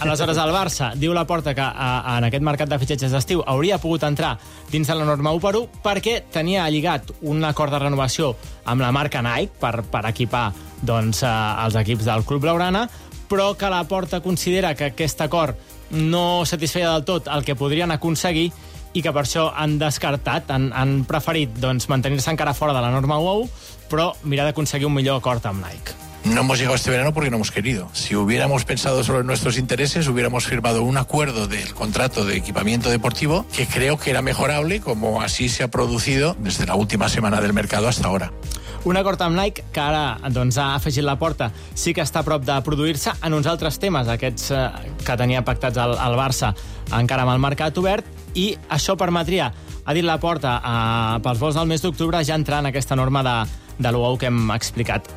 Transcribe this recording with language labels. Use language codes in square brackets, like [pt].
[ca] Aleshores, el Barça diu la porta que en aquest mercat de fitxatges d'estiu hauria pogut entrar dins de la norma 1 per 1 perquè tenia lligat un acord de renovació amb la marca Nike per equipar doncs, els equips del Club Blaugrana, però que la porta considera que aquest acord no satisfeia del tot el que podrien aconseguir i que per això han descartat, han preferit doncs, mantenir-se encara fora de la norma UAU, però mirar d'aconseguir un millor acord amb Nike. [es] No hemos llegado este verano porque no hemos querido. Si hubiéramos pensado solo en nuestros intereses, hubiéramos firmado un acuerdo del contrato de equipamiento deportivo que creo que era mejorable, como así se ha producido desde la última semana del mercado hasta ahora. [ca] Un acord amb Nike, que ara doncs, ha afegit la porta, sí que està a prop de produir-se en uns altres temes, aquests que tenia pactats el Barça encara amb el mercat obert, i això permetria, ha dit Laporta, pels vols del mes d'octubre ja entrar en aquesta norma de l'UAU que hem explicat.